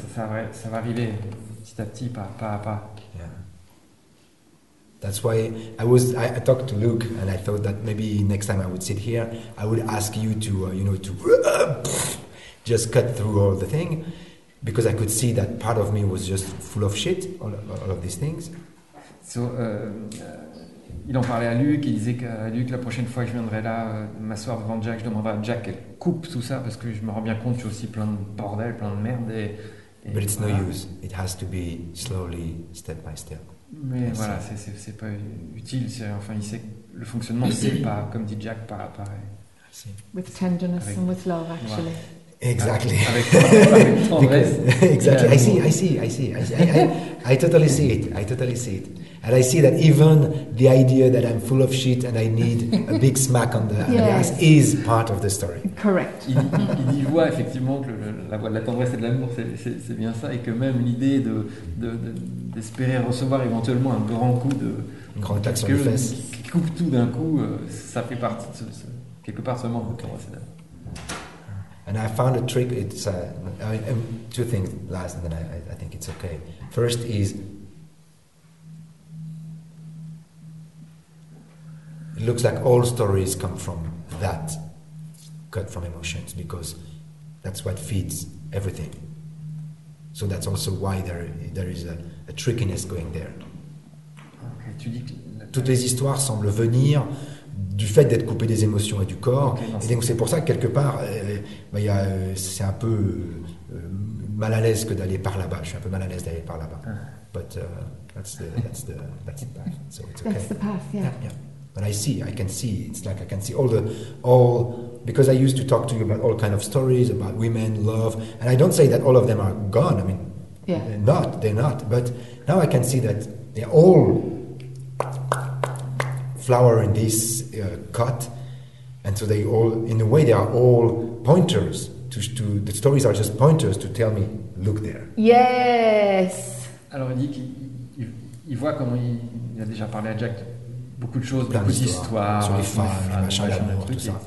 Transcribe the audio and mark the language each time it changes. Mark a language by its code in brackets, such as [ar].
[fr] Ça va arriver petit à petit, pas à pas. [en] That's why I talked to Luke and I thought that maybe next time I would sit here, I would ask you to, just cut through all the thing, because I could see that part of me was just full of shit, all of these things. [fr] So, il en parlait à Luke, il disait qu'à Luke, la prochaine fois que je viendrai là, m'asseoir devant Jack, je demanderai à Jack qu'elle coupe tout ça, parce que je me rends bien compte que j'ai aussi plein de bordel, plein de merde. Et [en] but it's voilà. No use. It has to be slowly, step by step. [fr] Mais voilà, c'est pas utile. C'est, enfin, il sait que le fonctionnement, c'est pas, comme dit Jack, pas pareil. [en] With tenderness avec, and with love, actually. Voilà. Exactly. [fr] Avec [en] tendresse. Exactly. I see. I totally see it. And I see that even the idea that I'm full of shit and I need a big smack on the ass is part of the story. Correct. [fr] Il y voit effectivement que la voix de la tendresse et de l'amour, c'est bien ça, et que même l'idée d'espérer recevoir éventuellement un grand coup de grand claque sur les fesses qui coupe tout d'un coup, ça fait partie de ce quelque part ce manque de tendresse et d'amour. [en] And I found a trick. It's two things last, and then I think it's okay. First is it looks like all stories come from that cut from emotions, because that's what feeds everything. So that's also why there is a trickiness going there. [fr] Okay, tu dis que toutes les histoires semblent venir du fait d'être coupé des émotions et du corps. Okay, et donc c'est pour ça que quelque part, c'est un peu mal à l'aise que d'aller par là-bas. Je suis un peu mal à l'aise d'aller par là-bas. [en] Ah. But that's the path. So it's okay. That's the path. Yeah. Yeah. But I can see. It's like I can see all because I used to talk to you about all kind of stories about women, love, and I don't say that all of them are gone. I mean, they're not. But now I can see that they're all flower in this cut, and so they all, in a way, they are all pointers to the stories are just pointers to tell me, look there. Yes. [fr] Alors il dit qu'il voit comment il a déjà parlé à Jack beaucoup de choses, beaucoup d'histoires, sur les femmes, les machins, les amours, tout ça,